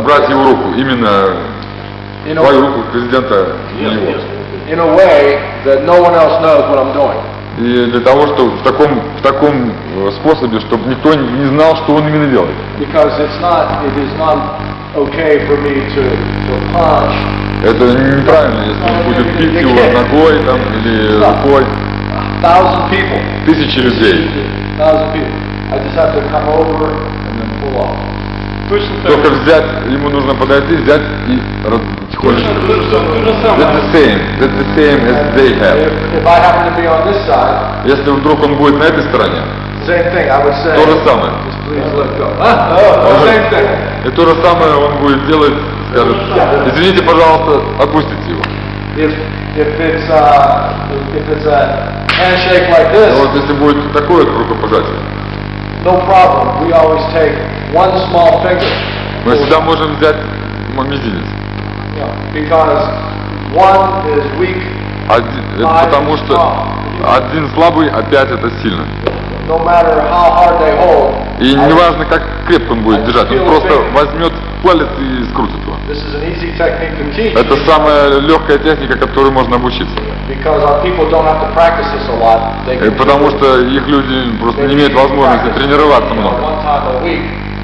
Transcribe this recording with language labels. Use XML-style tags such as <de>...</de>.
<ru>Убрать его руку, именно твою руку президента его.</ru> <en>In a way that no one else knows what I'm doing.</en> <ru>И для того, чтобы в таком способе, чтобы никто не знал, что он именно делает.</ru> <en>Because it is not okay for me to punch.</en> <ru>Это неправильно, если он будет бить его ногой там или рукой.</ru> <en>Thousand people.</en> <ru>Тысячи людей.</ru> <en>Thousand people. I just have to come over and then pull off.</en> <ru>Только взять, ему нужно подойти, взять и тихонечко.</ru> <en>That's the same as they have. If I happen to be on this side,</en> <ru>если вдруг он будет на этой стороне,</ru> <en>same thing, I would say,</en> <ru>то же самое.</ru> <en>Just please let go. Same thing.</en> <ru>И то же самое он будет делать, скажет, извините, пожалуйста, отпустите его.</ru> <en>If it's a handshake like this,</en> <ru>вот если будет такое рукопожатие,</ru> <en>no problem, we always take one small finger.</en> <ru>Мы всегда можем взять мизинец.</ru> <en>Because one is weak.</en> <ru>Потому что один слабый, а пять это сильно.</ru> <en>No matter how hard they hold.</en> <ru>И неважно, как крепко он будет держать, он просто возьмет палец и скрутит его.</ru> <en>This is an easy technique to teach.</en> <ru>Это самая легкая техника, которую можно обучиться.</ru> <en>Because our people don't have to practice this a lot.</en> <ru>И потому что их люди просто не имеют возможности тренироваться много.</ru>